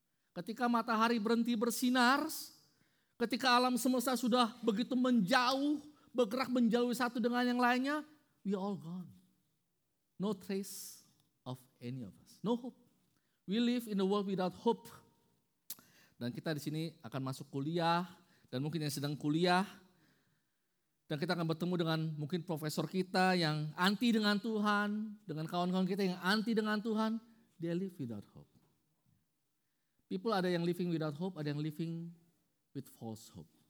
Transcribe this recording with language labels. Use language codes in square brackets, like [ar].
[id] Ketika matahari berhenti bersinar, ketika alam semesta sudah begitu menjauh, bergerak menjauhi satu dengan yang lainnya, [en] we all gone. No trace of any of us. No hope. We live in a world without hope. [id] Dan kita di sini akan masuk kuliah, dan mungkin yang sedang kuliah, dan kita akan bertemu dengan mungkin profesor kita yang anti dengan Tuhan, dengan kawan-kawan kita yang anti dengan Tuhan, [en] they live without hope. People [id] ada yang [en] living without hope, ada yang living with false hope.